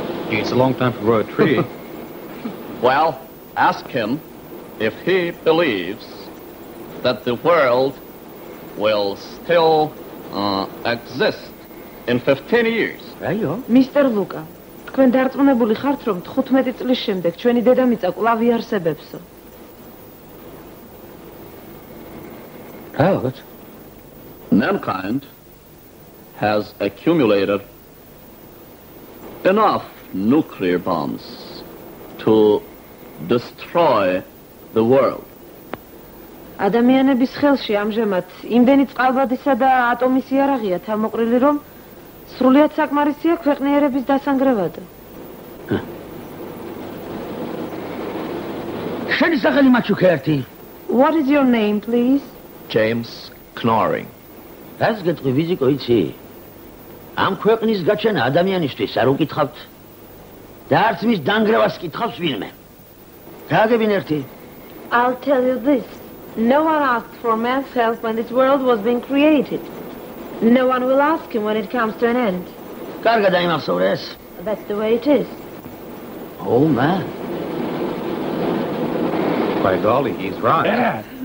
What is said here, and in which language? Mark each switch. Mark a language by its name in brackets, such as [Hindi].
[English] It's a long time to grow a tree. Well, ask him if he believes that the world will still exist in 15 years. Rayo? Mr. [Georgian] Luka, თქვენ დარწმუნებული ხართ რომ 15 წლის შემდეგ ჩვენი დედამიწა კვლავ იარსებებსო? [English] Right. Mankind has accumulated enough nuclear bombs to destroy the world. [Georgian] ადამიანების ხელში ამჟამად იმდენი წყალბადისა და ატომის იარაღია თამოყრილი, რომ სრულიად საკმარისია ქვეყნიერების დასანგრევად. შენი სახელი მაჩუქე ერთი? [English] What is your name, please? James Knoring. [Georgian] ეს გეტყვი ვიზიკო, იცი? ამ ქვეყნის გაჩენა ადამიანისთვის არ უკითხავთ და არც მის დანგრევას კითხავს ვინმე. გააგებინ ერთი? [English] I'll tell you this. No one asked for man's help when this world was being created. No one will ask him when it comes to an end. Karga da imam sobre es. That's the way it is. Oh, man. By golly, he's right.